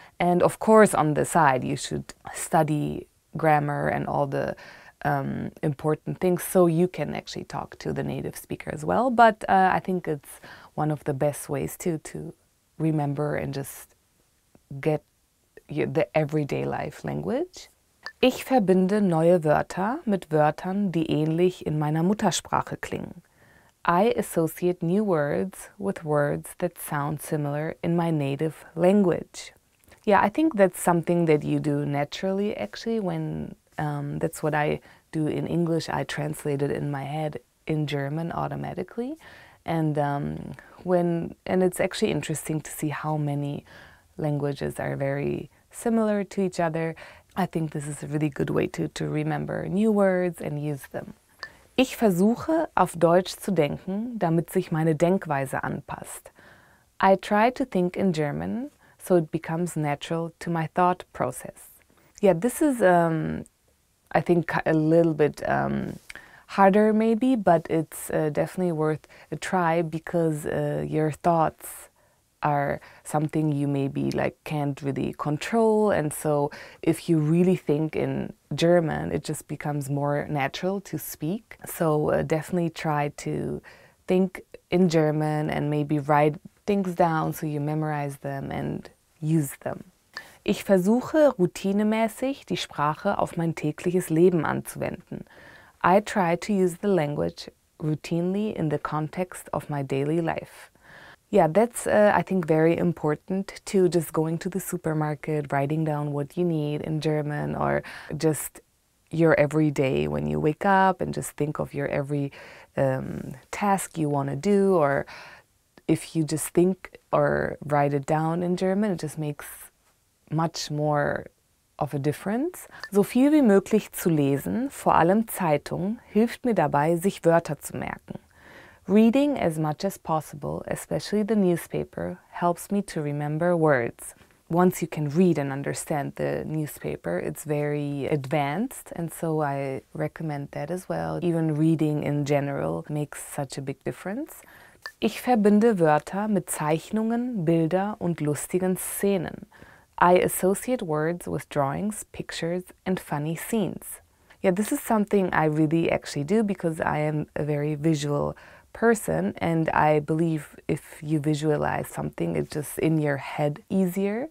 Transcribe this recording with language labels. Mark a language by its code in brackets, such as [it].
[en] And of course, on the side, you should study grammar and all the important things so you can actually talk to the native speaker as well. But I think it's one of the best ways to remember and just get the everyday life language. [de] Ich verbinde neue Wörter mit Wörtern, die ähnlich in meiner Muttersprache klingen. [en] I associate new words with words that sound similar in my native language. Yeah, I think that's something that you do naturally, actually, when that's what I do in English. I translate it in my head in German automatically. And it's actually interesting to see how many languages are very similar to each other. I think this is a really good way to remember new words and use them. [de] Ich versuche, auf Deutsch zu denken, damit sich meine Denkweise anpasst. [en] I try to think in German, so it becomes natural to my thought process. Yeah, this is, I think, a little bit harder maybe, but it's definitely worth a try because your thoughts are something you maybe like can't really control. And so if you really think in German, it just becomes more natural to speak. So definitely try to think in German and maybe write things down so you memorize them and use them. [de] Ich versuche routinemäßig die Sprache auf mein tägliches Leben anzuwenden. [en] I try to use the language routinely in the context of my daily life. Yeah, that's, I think, very important to just going to the supermarket, writing down what you need in German, or just your everyday when you wake up and just think of your every task you want to do. Or if you just think or write it down in German, it just makes much more of a difference. [de] So viel wie möglich zu lesen, vor allem Zeitung, hilft mir dabei, sich Wörter zu merken. [en] Reading as much as possible, especially the newspaper, helps me to remember words. Once you can read and understand the newspaper, it's very advanced, and so I recommend that as well. Even reading in general makes such a big difference. [de] Ich verbinde Wörter mit Zeichnungen, Bilder und lustigen Szenen. [en] I associate words with drawings, pictures, and funny scenes. Yeah, this is something I really actually do because I am a very visual person, and I believe if you visualize something, it's just in your head easier.